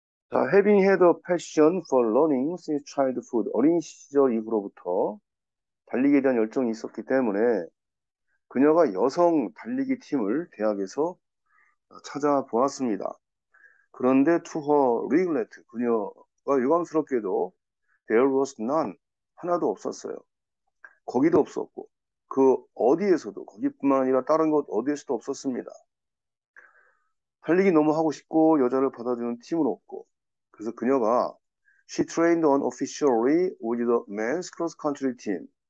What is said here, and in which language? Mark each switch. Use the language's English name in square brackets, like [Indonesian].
[Korean] 자, [English] having had a passion for learning since childhood. [Korean] 어린 시절 이후로부터 달리기에 대한 열정이 있었기 때문에 그녀가 여성 달리기 팀을 대학에서 찾아보았습니다. 그런데 [English] to her regret, [Korean] 그녀가 유감스럽게도 [English] there was none, [Korean] 하나도 없었어요. 거기도 없었고, 그 어디에서도, 거기뿐만 아니라 다른 곳 어디에서도 없었습니다. 달리기 너무 하고 싶고, 여자를 받아주는 팀은 없고, 그래서 그녀가 [English] she trained unofficially with the men's cross country team.